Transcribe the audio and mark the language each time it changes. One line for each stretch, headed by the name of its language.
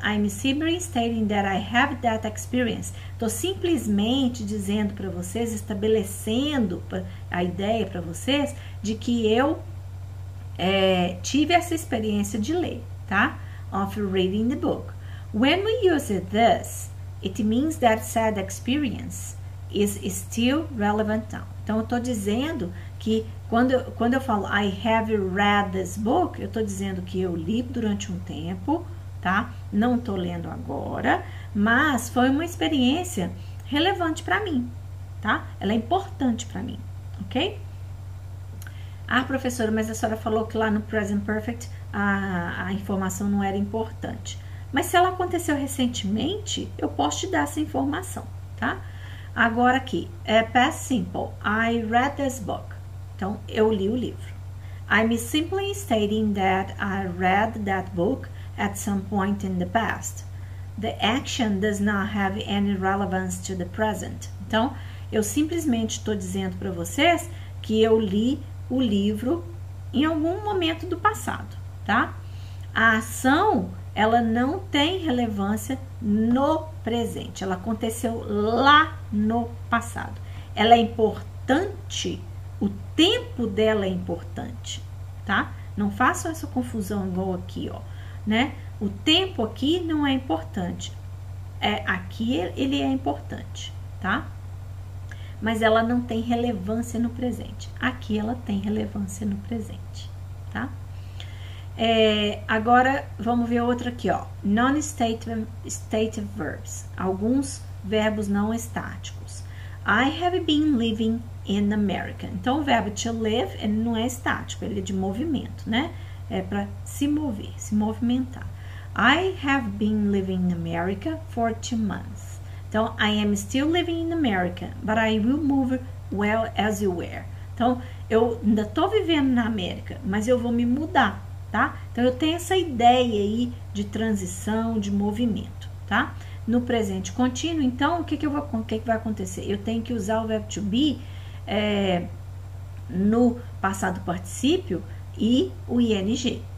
English: I'm simply stating that I have that experience.
Portuguese: Estou simplesmente dizendo para vocês, estabelecendo a ideia para vocês de que eu tive essa experiência de ler, tá?
English: Of reading the book. When we use this, it means that said experience is still relevant now.
Portuguese: Então, eu estou dizendo que quando eu falo
English: I have read this book,
Portuguese: eu estou dizendo que eu li durante um tempo, tá? Não estou lendo agora, mas foi uma experiência relevante para mim, tá? Ela é importante para mim, ok? Ah, professora, mas a senhora falou que lá no present perfect a informação não era importante. Mas se ela aconteceu recentemente, eu posso te dar essa informação, tá? Agora aqui, é past simple.
English: I read this book.
Portuguese: Então, eu li o livro.
English: I'm simply stating that I read that book at some point in the past. The action does not have any relevance to the present.
Portuguese: Então, eu simplesmente estou dizendo para vocês que eu li o livro em algum momento do passado, tá? A ação, ela não tem relevância no presente. Ela aconteceu lá no passado. Ela é importante. O tempo dela é importante, tá? Não façam essa confusão igual aqui, ó, né? O tempo aqui não é importante. É aqui ele é importante, tá? Mas ela não tem relevância no presente. Aqui ela tem relevância no presente, tá? Agora vamos ver outra aqui, ó. Non-stative verbs, alguns verbos não estáticos.
English: I have been living in America.
Portuguese: Então, o verbo to live, ele não é estático, ele é de movimento, né? É para se mover, se movimentar.
English: I have been living in America for 2 months.
Portuguese: Então,
English: I am still living in America, but I will move well as you were.
Portuguese: Então, eu ainda estou vivendo na América, mas eu vou me mudar, tá? Então, eu tenho essa ideia aí de transição, de movimento, tá? No presente contínuo, então, o que que vai acontecer? Eu tenho que usar o verbo to be no passado particípio e o ing.